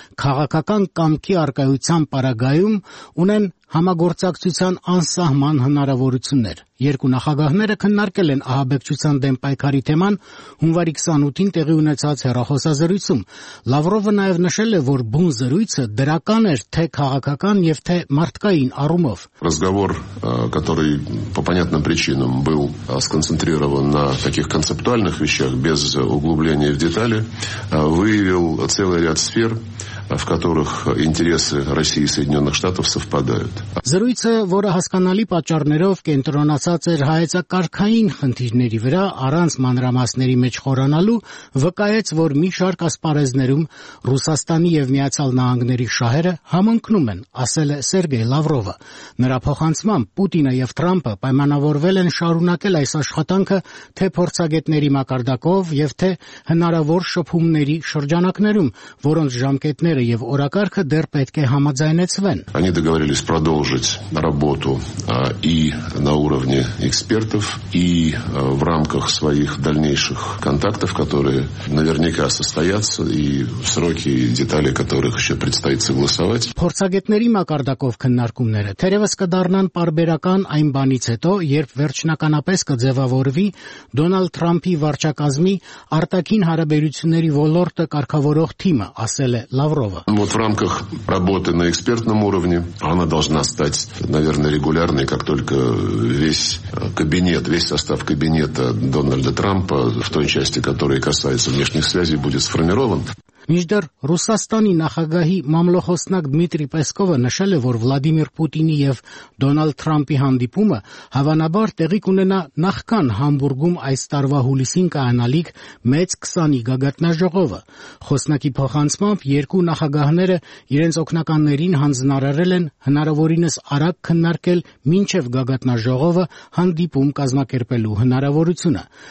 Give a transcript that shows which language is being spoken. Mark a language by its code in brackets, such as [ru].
[hy] քաղաքական կամքի առկայության պարագայում ունեն համագործակցության անսահման հնարավորություններ։ Երկու նախագահները քննարկել են ահաբեկչության դեմ պայքարի թեման հունվարի 28-ին տեղի ունեցած հեռախոսազրույցում։ Լավրովը նաև նշել է, որ բուն զրույցը դրական էր թե քաղաքական և թե մարդկային առումով։ [ru] Разговор, который по понятным причинам был сконцентрирован на таких концептуальных вещах без углубления в детали, выявил целый ряд сфер, в которых интересы России и Соединенных Штатов совпадают. [hy] Զրույցը, որը հասկանալի պատճառներով կենտրոնացած էր հայեցակարգային խնդիրների վրա, առանց մանրամասների մեջ խորանալու, վկայեց, որ մի շարք ասպարեզներում Ռուսաստանի և Միացյալ Նահանգների շահերը համընկնում են, ասել է Սերգեյ Լավրովը։ Նրա փոխանցմամբ Պուտինը և Թրամփը պայմանավորվել են շարունակել այս աշխատանքը թե փորձագետների մակարդակով և թե հնարավոր շփումների շրջանակներում, որոնց ժամկետ և օրակարգը դեռ պետք է համաձայնեցվեն։ [ru] Они договорились продолжить работу и на уровне экспертов, и в рамках своих дальнейших контактов, которые наверняка состоятся, и сроки и детали которых ещё предстоит согласовать։ [hy] Փորձագետների մակարդակով քննարկումները թերևս կդառնան պարբերական այն բանից հետո, երբ վերջնականապես կձևավորվի Դոնալդ Թրամփի վարչակազմի արտաքին հարաբերությունների ոլորտը կարգավորող թիմը, ասել է Լավրովը։ [ru] Петрова. Вот в рамках работы на экспертном уровне она должна стать, наверное, регулярной, как только весь кабинет, весь состав кабинета Дональда Трампа в той части, которая касается внешних связей, будет сформирован. [hy] Միջդեռ Ռուսաստանի նախագահի մամլոխոսնակ Դմիտրի Պեսկովը նշել է, որ Վլադիմիր Պուտինի և Դոնալդ Թրամփի հանդիպումը հավանաբար տեղի կունենա նախքան Համբուրգում այս տարվա հուլիսին կայանալիք մեծ 20-ի գագաթնաժողովը։ Խոսնակի փոխանցումով երկու նախագահները իրենց օգնականներին հանձնարարել են հնարավորինս արագ քննարկել մինչև գագաթնաժողովը հանդիպում կազմակերպելու հնարավորությունը։